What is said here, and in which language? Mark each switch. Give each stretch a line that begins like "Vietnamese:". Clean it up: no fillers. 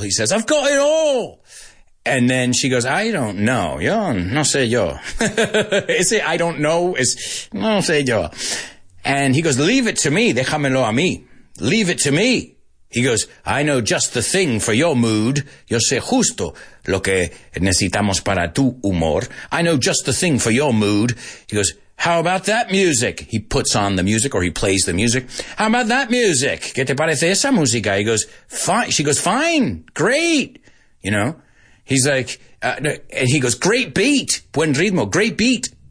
English: He says, I've got it all. And then she goes, I don't know.
Spanish: Yo, no sé yo. Ese
English: I don't know is,
Spanish: no sé yo.
English: And he goes, leave it to me.
Spanish: Déjamelo a mí.
English: Leave it to me. He goes, I know just the thing for your mood.
Spanish: Yo sé justo lo que necesitamos para tu humor.
English: I know just the thing for your mood. He goes, how about that music? He puts on the music, or he plays the music. How about that music?
Spanish: ¿Qué te parece esa música?
English: He goes, fine. She goes, fine. Great. You know? He's like, and he goes, great beat,
Spanish: buen ritmo,
English: great beat.